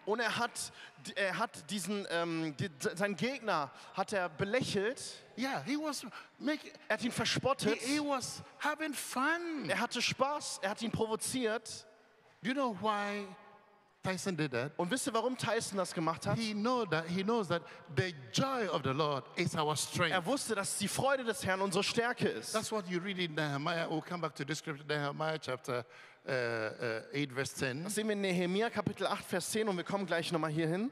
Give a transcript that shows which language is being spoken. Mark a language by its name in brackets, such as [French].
[German] Und er hat diesen seinen Gegner hat er belächelt. [English] Yeah, he was making. [German] Er hat ihn verspottet. [English] He was having fun. [German] Er hatte Spaß. Er hat ihn provoziert. [English] Do you know why Tyson did that? [German] Und wisst ihr, warum Tyson das gemacht hat? [English] He knows that the joy of the Lord is our strength. [German] Er wusste, dass die Freude des Herrn unsere Stärke ist. [English] That's what you read in Nehemiah. We'll come back to this scripture, Nehemiah chapter 8, verse 10. [German] Das sehen wir in Nehemiah Kapitel 8, Vers 10, und wir kommen gleich nochmal hierhin.